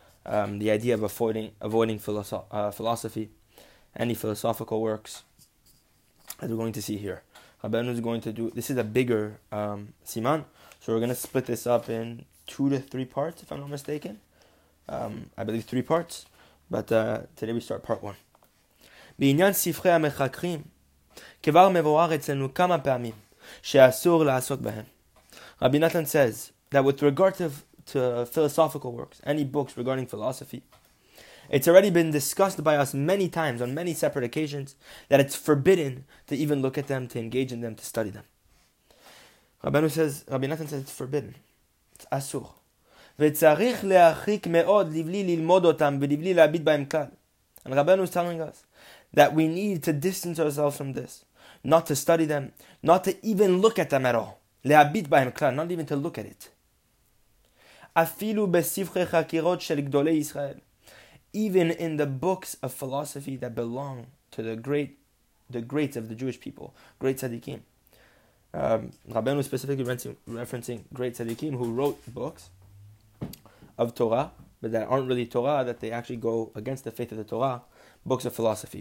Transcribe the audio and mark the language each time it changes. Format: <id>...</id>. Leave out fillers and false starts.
<en>The idea of avoiding philosophy, any philosophical works, as we're going to see here. Rabbeinu is going to do, this is a bigger siman, so we're going to split this up in 2 to 3 parts, if I'm not mistaken. I believe 3 parts, but today we start part 1.</en> <he>בעניין ספרי המחקרים, כבר מבואר אצלנו כמה פעמים שאסור לעשות בהם.</he> <en>Rabbi Nathan says that with regard to philosophical works, any books regarding philosophy, it's already been discussed by us many times on many separate occasions that it's forbidden to even look at them, to engage in them, to study them. Rabbi Nathan says it's forbidden. It's asur.</en> <he>וצריך להרחיק מאוד לבלי ללמוד אותם ולבלי להביט בהם כלל.</he> <en>And Rabbeinu is telling us that we need to distance ourselves from this, not to study them, not to even look at them at all.</en> <he>להביט בהם כלל,</he> <en>not even to look at it.</en> <he>אפילו בספרי חקירות של גדולי ישראל.</he> <en>Even in the books of philosophy that belong to the greats of the Jewish people, great tzaddikim. Rabbeinu specifically referencing great tzaddikim who wrote books of Torah, but that aren't really Torah, that they actually go against the faith of the Torah, books of philosophy.</en>